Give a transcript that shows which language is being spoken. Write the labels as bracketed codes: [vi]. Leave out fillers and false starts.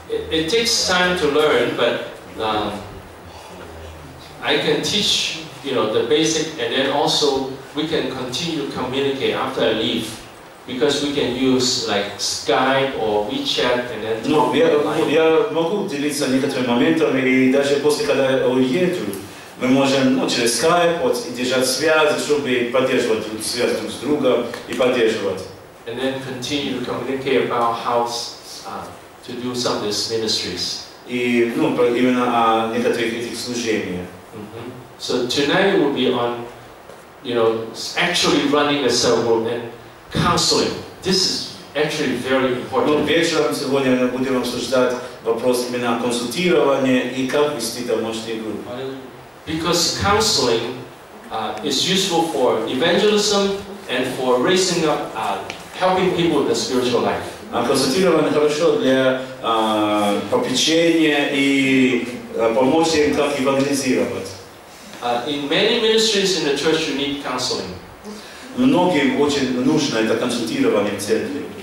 [en] It takes time to learn, but I can teach, you know, the basic, and then also we can continue to communicate after I leave, because we can use like Skype or WeChat and then. [ru] Ну, я могу делиться некоторыми моментами и даже после когда я уеду. Мы можем через Skype вот, и держать связь, чтобы поддерживать связь друг с другом и поддерживать. [en] And then continue to communicate about how to do some of these ministries. [ru] И ну, именно о некоторых этих служениях. Mm-hmm. [en] So tonight will be on, you know, actually running a cell group and counseling. This is actually very important. [ru] Ну, вечером сегодня мы будем обсуждать вопрос именно о консультировании и как вести домашнюю группу. [en] Because counseling is useful for evangelism and for raising up, helping people with their spiritual life. [ru] Консультирование хорошо для попечения и помочь им как евангелизировать. [en] In many ministries in the church, you need counseling. [ru] Многим очень нужно это консультирование в церкви.